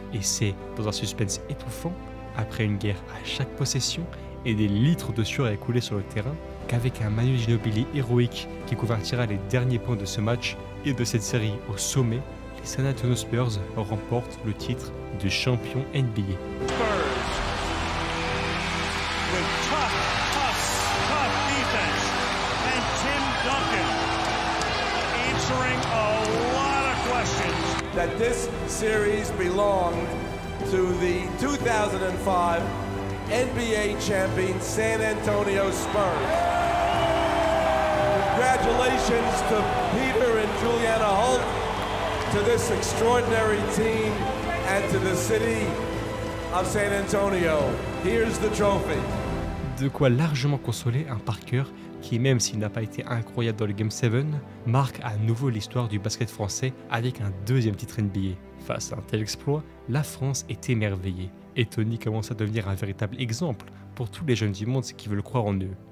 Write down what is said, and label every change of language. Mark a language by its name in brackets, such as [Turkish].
[French] Et c'est, dans un suspense étouffant, après une guerre à chaque possession et des litres de sueur écoulés sur le terrain, qu'avec un Manu Ginobili héroïque qui convertira les derniers points de ce match et de cette série au sommet, les San Antonio Spurs remportent le titre de champion NBA. [English] Spurs, with tough defense, and Tim Duncan answering a lot of questions. questions that this series belonged to the 2005 NBA champion San Antonio Spurs. Congratulations to Peter and Juliana Hult, to this extraordinary team, and to the city of San Antonio. Here's the trophy. [French] De quoi largement consoler un Parker qui, même s'il n'a pas été incroyable dans le Game 7, marque à nouveau l'histoire du basket français avec un deuxième titre NBA. Face à un tel exploit, la France est émerveillée et Tony commence à devenir un véritable exemple pour tous les jeunes du monde qui veulent croire en eux.